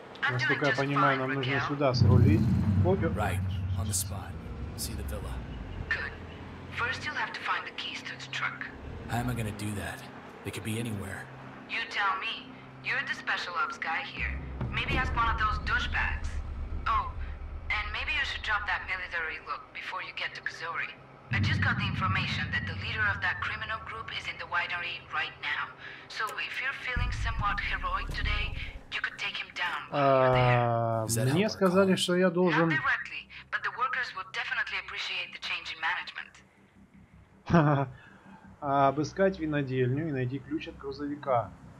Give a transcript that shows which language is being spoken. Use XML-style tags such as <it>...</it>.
<ru>Насколько я понимаю, нам нужно сюда срулить. Окей.</ru> <en>Right, on the spot. See the villa. Good. First you'll have to find the keys to the truck. How am I gonna do that? It could be anywhere. You tell me. You're the special ops guy here. Maybe ask one of those douchebags. Oh, and maybe you should drop that military look before you get to Kazori. I just got the information that the leader of that criminal group is in the winery right now. So if you're feeling somewhat heroic today, you could take him down while you're there.</en> <ru>Мне сказали, что я должен...</ru> <en>Not directly, but the workers would definitely appreciate the change in management.</en> <ru>Обыскать винодельню и найти ключ от грузовика.</ru>